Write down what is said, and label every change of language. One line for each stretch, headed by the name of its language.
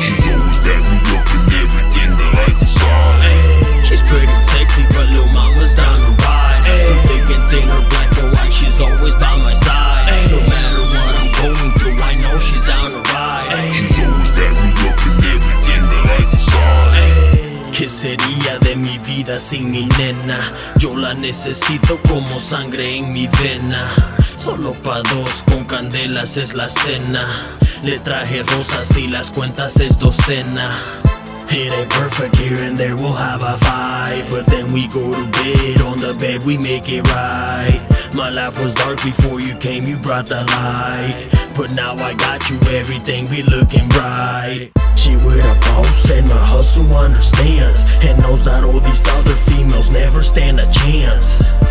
English: She's always bad, we look at everything the light the sun. Ay. She's pretty sexy, but little mama's down the ride. Ay. From thick and thin, or black or white, she's always by my side. Ay. No matter what I'm going through, I know she's down the ride. Ay. She's always bad, we look at everything the light the sun. Ay.
Spanish: ¿Qué sería de mi vida sin mi nena? Yo la necesito como sangre en mi vena. Solo pa' dos, con candelas es la cena. Le traje rosas y las cuentas es docena.
English: It ain't perfect here and there, we'll have a fight. But then we go to bed, on the bed we make it right. My life was dark before you came, you brought the light. But now I got you, everything be looking bright. She with a boss and a hustle understands. And knows that all these other females never stand a chance.